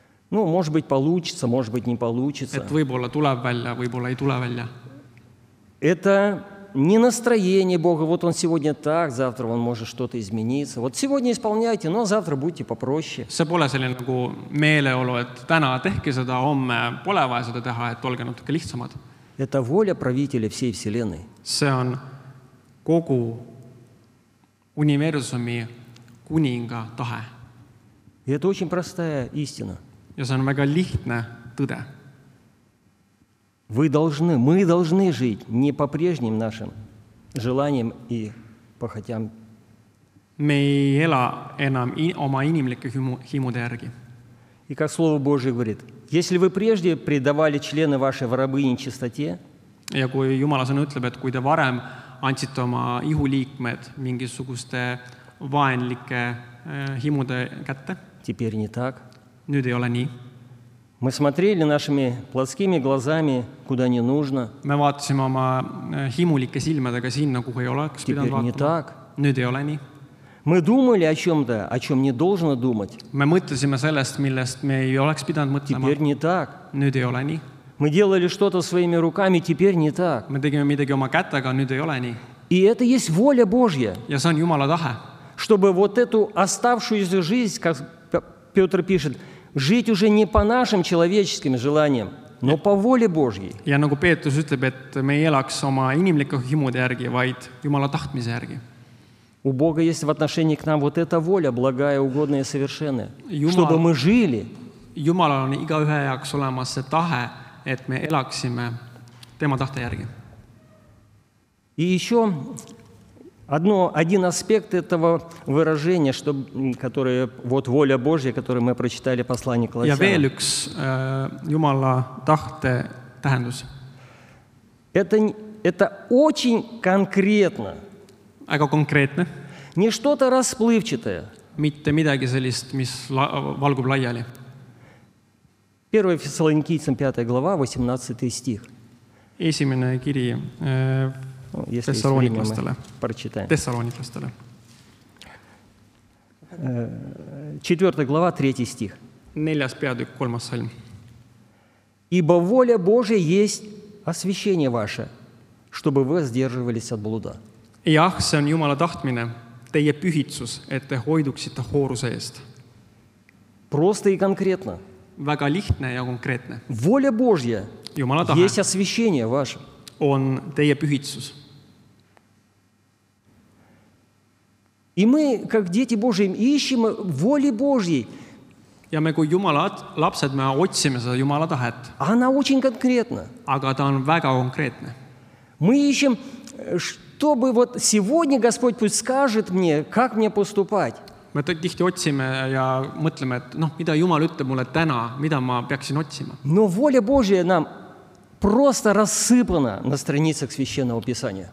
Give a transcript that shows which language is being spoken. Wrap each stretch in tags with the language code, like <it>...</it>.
<ru>Ну, может быть, получится, может быть, не получится.</ru> <et>Et võib-olla tuleb välja, võib-olla ei tule välja.</et> <ru>Это не настроение Бога. Вот он сегодня так, завтра он может что-то измениться. Вот сегодня исполняйте, но завтра будьте попроще.</ru> <et>See pole selline nagu meeleolu, et täna tehke seda, homme pole vaja seda teha, et olge natuke lihtsamad.</et> <ru>Это воля правителя всей вселенной.</ru> <et>See on kogu universumi kuninga tahe.</et> <ru>И это очень простая истина.</ru> <et>Ja see on väga lihtne tõde.</et> <ru>Мы должны жить не по прежним нашим желаниям и похотям.</ru> <et>Me ei ela enam oma inimlike himude järgi.</et> <ru>И как Слово Божие говорит, если вы прежде предавали члены вашей в рабыни чистоте,</ru> <et>ja kui Jumala sõna ütleb, et kui te varem andsite oma ihuliikmed mingisuguste vaenlike himude kätte,</et> <ru>теперь не так.</ru> <et>Nüüd ei ole nii.</et> <ru>Мы смотрели нашими плотскими глазами, куда не нужно.</ru> <et>Me vaatasime oma himulike silmadega sinna, kuhu ei oleks pidanud vaatama.</et> <ru>Теперь не так.</ru> <et>Nüüd ei ole nii.</et> <ru>Мы думали о чем-то, о чем не должно думать.</ru> <et>Me mõtlesime sellest, millest me ei oleks pidanud mõtlema.</et> <ru>Теперь не так.</ru> <et>Nüüd ei ole nii.</et> <ru>Мы делали что-то своими руками, теперь не так.</ru> <et>Me tegime midagi oma kätega, nüüd ei ole nii.</et> <ru>И это есть воля Божья.</ru> <et>Ja see on Jumala tahe.</et> <ru>Чтобы вот эту оставшуюся жизнь, как Петр пишет, жить уже не по нашим человеческим желаниям, но по воле Божьей.</ru> <et>Ja nagu Peetus ütleb, et me ei elaks oma inimlike himude järgi, vaid Jumala tahtmise järgi.</et> <ru>У Бога есть в отношении к нам вот эта воля, благая, угодная, совершенная, чтобы мы жили.</ru> <et>Jumala on igaühe jaoks olemas see tahe, et me elaksime tema tahte järgi.</et> <ru>И еще один аспект этого выражения, которое вот воля Божья, которую мы прочитали послание Колоссянам.</ru> <et>Ja veel üks Jumala tahte tähendus.</et> <ru>Это очень конкретно.</ru> <et>Aga konkreetne.</et> <ru>Не что-то расплывчатое.</ru> <et>Mitte midagi sellist, mis valgub laiali.</et> <ru>1 Фессалоникийцам 5 глава, 18 стих.</ru> <et>Esimene kiri Тессалоникастеле.</et> <ru>4 глава, 3 стих. 4 пятый, 3 сальм. Ибо воля Божия есть освящение ваше, чтобы вы сдерживались от блуда.</ru> <et>Jah, see on Jumala tahtmine, teie pühitsus, et te hoiduksite hooruse eest.</et> <ru>Просто и конкретно.</ru> <et>Väga lihtne ja konkreetne.</et> <ru>Воля Божия</ru> <et>Jumala tahe</et> <ru>есть освящение ваше.</ru> <et>On teie pühitsus.</et> <ru>И мы, как дети Божьи, ищем воли Божьей.</ru> <et>Ja me kui Jumala lapsed, me otsime seda Jumala tahet.</et> <ru>Она очень конкретна.</ru> <et>Aga ta on väga konkreetne.</et> <ru>Мы ищем, чтобы вот сегодня Господь пусть скажет мне, как мне поступать.</ru> <et>Me tihti otsime ja mõtleme, et noh, mida Jumal ütleb mulle täna, mida ma peaksin otsima.</et> <ru>Но воля Божия нам просто рассыпана на страницах Священного Писания.</ru>